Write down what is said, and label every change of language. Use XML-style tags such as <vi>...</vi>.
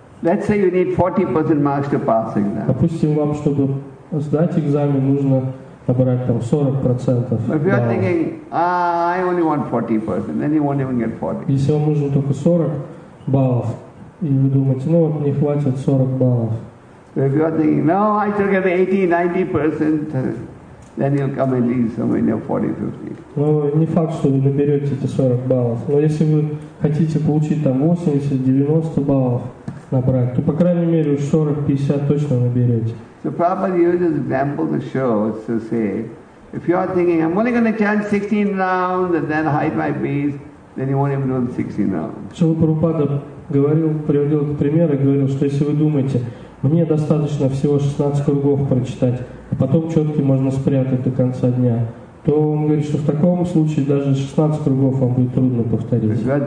<en>Let's say you need 40% marks to pass exam.</en> <ru>Допустим, вам, чтобы сдать экзамен, нужно набрать там 40%.</ru> <en>But if you're thinking, I only want 40%, then you won't even get 40.</en> <ru>Если вам нужно только 40 баллов, и вы думаете, ну вот мне хватит 40 баллов.</ru> <en>But if you're thinking, no, I should get 80-90%. Then you'll come at least somewhere near 40-50.</en> <ru>Ну, не факт, что вы наберете эти 40 баллов. Но если вы хотите получить там 80-90 баллов набрать, то по крайней мере уж 40-50 точно наберете.</ru> <en>So Prabhupada uses example to show, to say, if you are thinking, I'm only going to chant 16 rounds and then hide my face, then you won't even do 16 rounds.</en> <ru>Шрила Прабхупада приводил пример и говорил, что если вы думаете, мне достаточно всего 16 кругов прочитать, а потом четкий можно спрятать до конца дня, то он говорит, что в таком случае даже 16 кругов вам будет трудно повторить.</ru>